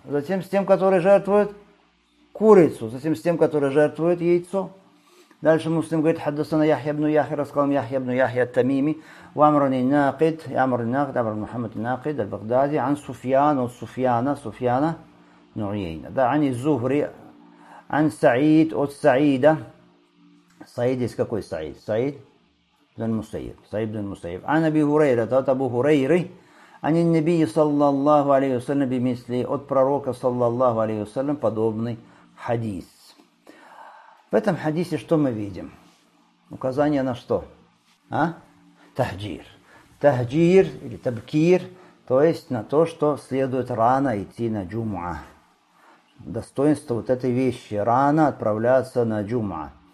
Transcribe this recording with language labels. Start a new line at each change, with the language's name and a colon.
Russian: Затем с тем, который жертвует курицу. Затем с тем, который жертвует яйцо. Дальше муслим говорит, хаддасана Яхья ибн Яхья, рассказал мне Яхья ибн Яхья ат-Тамими,
Arabic: وَأَمْرُنِ النَّاقِدِ أَمْرُ النَّاقِدِ أَمْرُ مُحَمَّدِ النَّاقِدِ الْبَغْدَادِ عَنْ سُفْيَانَ وَسُفْيَانَ سُفْيَانَ نُعْيَيْنَ.
Russian: Да,
Arabic: عَنِ الزُّهْرِ عَنْ سَعِيدِ
Russian: от
Arabic: سَعِيدَ.
Russian: Саид из какой Саид? Саид бин Мусайб. Саид бин Мусайб.
Arabic: عَنْ أَبِي هُرَيْرَةَ
Russian: от Абу Хурейры.
Arabic: عَنِ النَّبِيِّ صَلَّى اللَّهُ عَلَيْهِ وَسَلَّمَ بِمِثْلِ
Russian: от
Arabic: пророка صَلَّى اللَّهُ عَلَيْهِ وَسَلَّمَ
Russian: подобный хадис. В этом хадисе что мы видим? Указание на что? А? Тахджир. Тахджир или табкир, то есть на то, что следует рано идти на джума. Достоинство вот этой вещи, рано отправляться на джума.